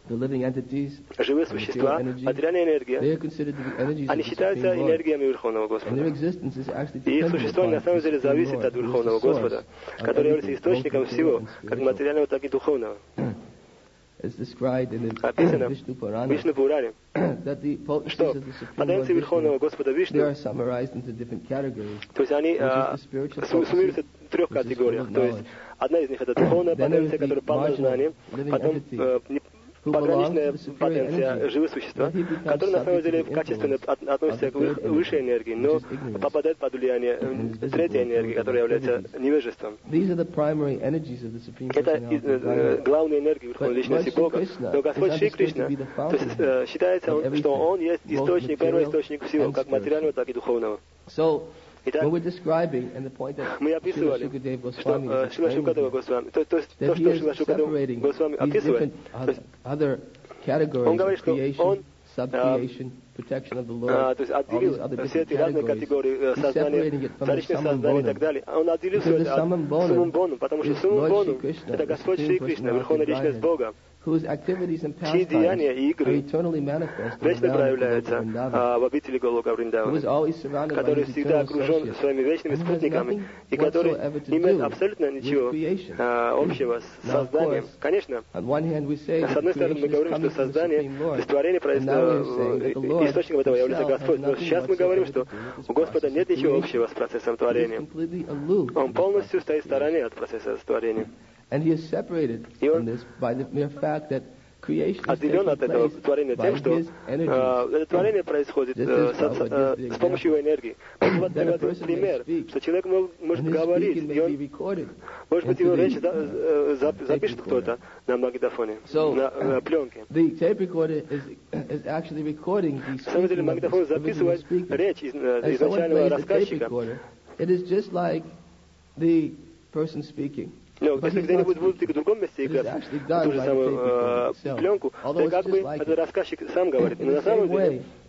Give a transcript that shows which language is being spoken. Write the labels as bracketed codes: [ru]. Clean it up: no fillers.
[en] the living entities, [ru] живые существа, материальная энергия, [en] they are considered to be energies, [ru] они считаются энергиями Верховного Господа. [en] And their existence is actually [ru] dependent. И их существование на самом деле зависит от Верховного Господа, который является источником всего, как материального, так и духовного. [en] It's described in the Vishnu Purana, Vishnu Purana, that the potencies of the Supreme Vishnu, they are summarized into different categories. [ru] То есть они суммируются в трех категориях. То есть одна из них это духовная потенция, которая полна знания, потом пограничная потенция живых существ, которые на самом деле качественно относятся к высшей энергии, но попадают под влияние третьей энергии, которая является невежеством. Это главные энергии Верховной Личности Бога, но Господь Шри Кришна, то есть считается, что Он есть источник, первый источник всего, как материального, так и духовного. Итак, [en] when we're describing, and the point that [ru] мы описывали, что Шрила Шукадева Госвами, то есть то, что Шрила Шукадева Госвами описывает, он говорит, что он отделил все эти разные категории сознания, вторичное сознание и так далее. Он отделил все это от суммум бону, потому что суммум бону — это Господь Шри Кришна, Верховная Личность Бога. [en] whose activities and pastimes are eternally manifested in the [ru] обители Голока Вриндавана, [en] who is always surrounded by his eternal associates, and has nothing whatsoever to do with creation. [ru] Общего с созданием. Конечно, [en] on one hand we say that creation is coming from [ru] создание, [en] the Supreme Lord, and now we are saying that the Lord himself has nothing whatsoever to do with this process of creation. He is completely aloof from the process of creation. [ru] Он полностью стоит в стороне от процесса сотворения. [en] And he is separated from this by the mere fact that creation is [ru] отделен от этого творения тем, что это творение происходит с помощью его энергии. Вот пример, что человек может говорить, и он, может быть, его речь запишет кто-то на магнитофоне, на пленке. [en] The tape recorder is actually recording the speech. [ru] На самом деле, магнитофон записывает речь изначального рассказчика. [en] It is just like the person speaking. [ru] Но если где-нибудь будут в другом месте играть ту же самую пленку, то как бы этот рассказчик сам говорит. Но на самом деле,